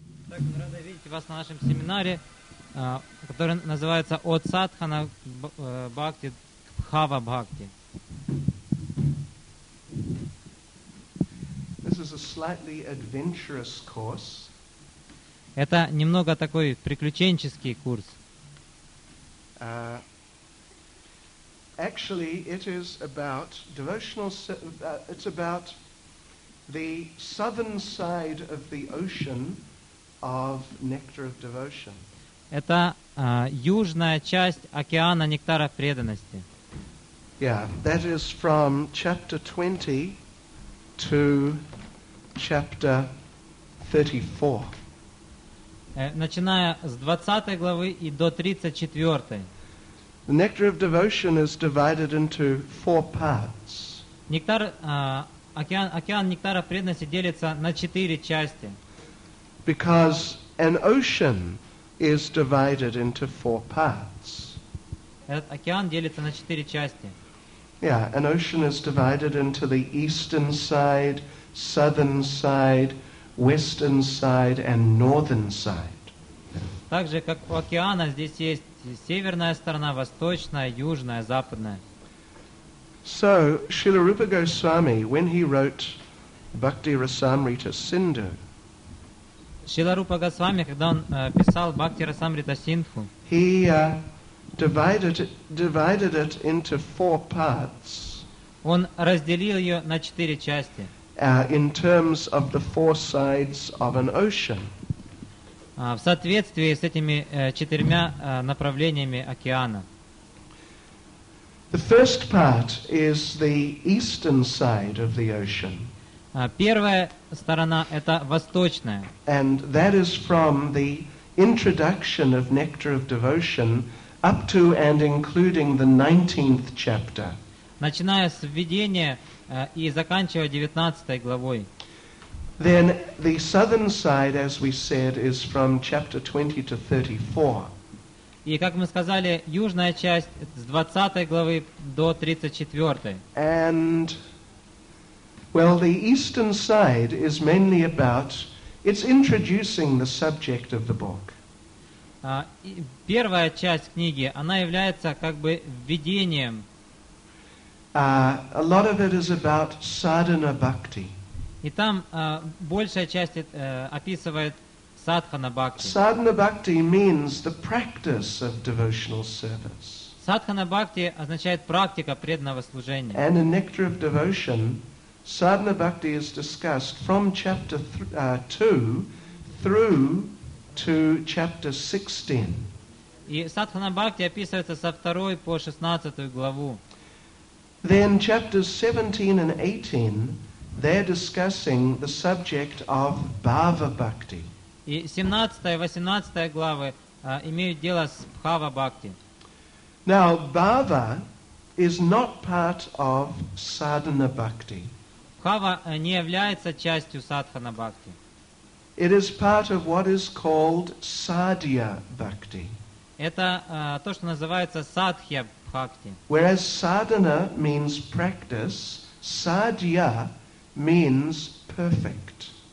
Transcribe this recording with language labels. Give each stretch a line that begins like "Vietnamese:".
Russian: Так, мы рады видеть вас на нашем семинаре, который называется «От садхана бхакти к бхава бхакти».
English: This is a slightly adventurous course.
Russian: Это немного такой приключенческий курс.
English: Actually, it is about devotional. It's about the southern side of the ocean of nectar of devotion.
Russian: Это южная часть океана нектара преданности.
English: Yeah, that is from chapter 20 to chapter 34.
Russian: Начиная с 20 главы и до 34.
English: The nectar of devotion is divided into four parts.
Russian: Нектар, океан нектара преданности делится на четыре части.
English: Because an ocean is divided into four parts.
Russian: Этот океан делится на четыре части.
English: Yeah, an ocean is divided into the eastern side, southern side, western side and northern side.
Russian: Также как у океана здесь есть северная сторона, восточная, южная, западная.
English: So, Srila Rupa Goswami, when he wrote Bhakti Rasamrita Sindhu,
Russian: Srila Rupa Goswami, когда он писал Бхакти Расамрита Синдху,
English: he divided it into four parts.
Russian: Он разделил ее на четыре части.
English: In terms of the four sides of an ocean.
Russian: В соответствии с этими четырьмя направлениями океана.
English: The first part is the eastern side of the ocean.
Russian: Первая сторона – это восточная.
English: And that is from the introduction of Nectar of Devotion up to and including the 19th chapter.
Russian: Начиная с введения и заканчивая 19 главой.
English: Then the southern side, as we said, is from chapter 20 to 34.
Russian: И, как мы сказали, южная часть с 20 главы до 34.
English: And, well, the eastern side is mainly about, it's introducing the subject of the book.
Russian: Первая часть книги, она является как бы введением.
English: A lot of it is about sadhana bhakti.
Russian: И там большая часть описывает садхана бхакти.
English: Sadhana bhakti means the practice of devotional service.
Russian: Садхана бхакти означает практика преданного служения.
English: And in Nectar of Devotion, sadhana bhakti is discussed from chapter 2 through to chapter 16.
Russian: И садхана бхакти описывается со 2 по 16 главу.
English: Then chapters 17 and 18, they're discussing the subject of bhava bhakti.
Russian: И 17 и 18 главы имеют дело с бхава бхакти.
English: Now bhava is not part of sadhana bhakti.
Russian: Бхава не является частью садхана бхакти.
English: It is part of what is called sadhya bhakti.
Russian: Это то, что называется садхья бхакти.
English: Whereas sadhana means practice, sadhya means perfect.